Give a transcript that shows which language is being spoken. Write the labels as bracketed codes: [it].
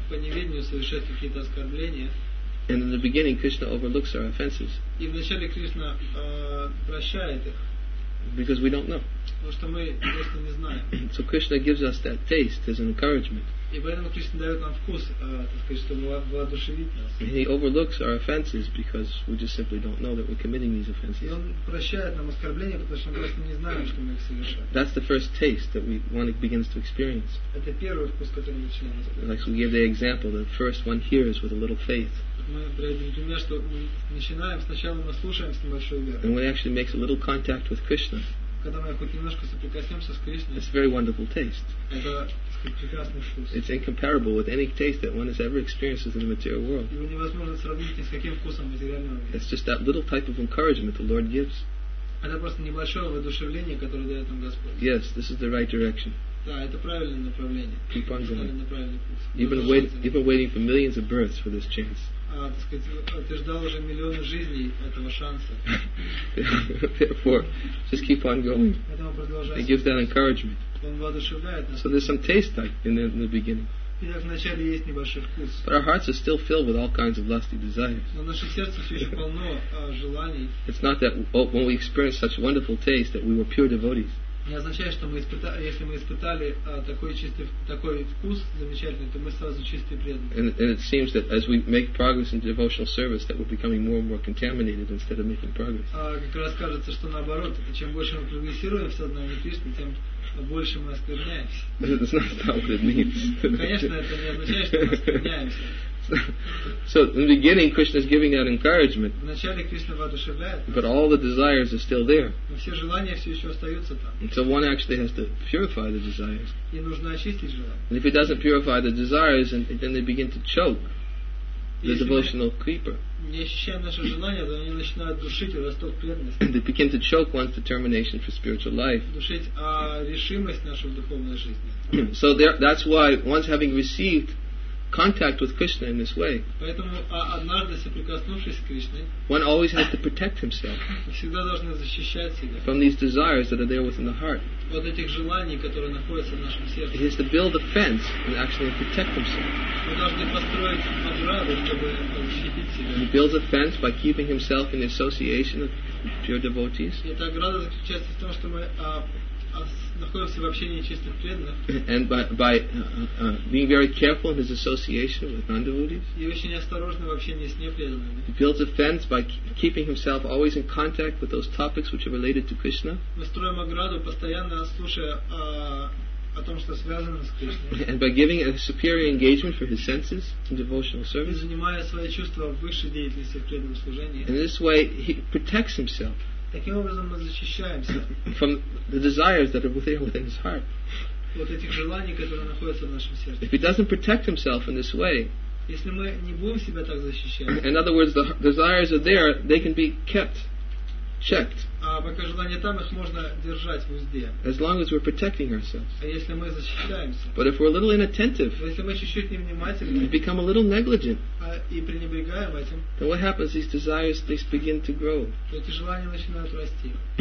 [en] And in the beginning, Krishna overlooks our offenses. [ru] И вначале Кришна прощает их. [en] Because we don't know. [ru] Потому что мы просто не знаем. [en] So Krishna gives us that taste as an encouragement. [ru] И поэтому Кришна дает нам вкус, так сказать, чтобы воодушевить нас. [en] And he overlooks our offenses because we just simply don't know that we're committing these offenses. [ru] И он прощает нам оскорбления, потому что мы просто не знаем, что мы их совершаем. [en] That's the first taste that one begins to experience. [ru] Это первый вкус, который начинается. [en] Like we give the example, the first one hears with a little faith. [ru] Мы приводим пример, что мы начинаем, сначала мы слушаем с небольшой верой. [en] And when it actually makes a little contact with Krishna, [ru] когда мы хоть немножко соприкоснемся с Кришной, [en] it's a very wonderful taste. [ru] Это прекрасный вкус. [en] It's incomparable with any taste that one has ever experienced in the material world. [ru] Его невозможно сравнить ни с каким вкусом материального мира. [en] It's just that little type of encouragement the Lord gives. [ru] Это просто небольшое воодушевление, которое дает нам Господь. [en] Yes, this is the right direction. [ru] Да, это правильное направление. [en] Keep on going. Even waiting for millions of births for this chance. [ru] Так сказать, ты ждал уже миллионы жизней этого шанса. [en] Therefore, just keep on going. [ru] Поэтому продолжай. [en] He gives that encouragement. [ru] Он воодушевляет нас. [en] So there's some taste in the beginning. But our hearts are still filled with all kinds of lusty desires. It's not that when we experience such wonderful taste that we were pure devotees. [ru] Не означает, что если мы испытали такой чистый, такой вкус замечательный, то мы сразу чистые преданные. [en] And it seems that as we make progress in devotional service, that we're becoming more and more contaminated instead of making progress. [ru] Как раз кажется, что наоборот, чем больше мы прогрессируем в сознании Кришны, тем больше мы оскверняемся. [en] That's not what it means. [ru] Конечно, это не означает, что мы оскверняемся. [en] So in the beginning, Krishna is giving out encouragement. [ru] Вначале Кришна воодушевляет. [en] But all the desires are still there. [ru] Но все желания все еще остаются там. [en] And so one actually has to purify the desires. [ru] И нужно очистить желания. [en] And if he doesn't purify the desires, then they begin to choke the devotional creeper. [ru] Не ощущая наши желания, то они начинают душить росток преданности. [en] They begin to choke one's determination for spiritual life. [ru] Душить решимость нашей духовной жизни. [en] So that's why once having received contact with Krishna in this way, [ru] поэтому однажды соприкоснувшись с Кришной, [en] one always has to protect himself [ru] всегда должен защищать себя [en] from these desires that are there within the heart. [ru] От этих желаний, которые находятся в нашем сердце. [en] He has to build a fence and actually protect himself. [ru] Мы должны построить ограду, чтобы защитить себя. [en] He builds a fence by keeping himself in the association of pure devotees. [ru] Эта ограда заключается в том, что мы находимся в общении чистых преданных. [en] And by being very careful in his association with non-devotees. [ru] И очень осторожно в общении с непреданными. [en] He builds a fence by keeping himself always in contact with those topics which are related to Krishna. [ru] Мы строим ограду, постоянно слушая о том, что связано с Кришной. [en] And by giving a superior engagement for his senses in devotional service. [ru] И занимая свои чувства в высшей деятельности в преданном служении. [en] In this way he protects himself [ru] таким образом мы защищаемся [en] from the desires that are within his heart. [ru] От этих желаний, которые находятся в нашем сердце. [en] If he doesn't protect himself in this way, [ru] если мы не будем себя так защищать, [en] in other words, the desires are there, they can be kept, checked. [ru] А пока желания там, их можно держать в узде. [en] As long as we're protecting ourselves. [ru] А если мы защищаемся? [en] But if we're a little inattentive, [ru] если мы чуть-чуть невнимательны, [en] we become a little negligent, [ru] и пренебрегаем этим, [en] then what happens? These desires, they begin to grow. [ru] Эти желания начинают расти.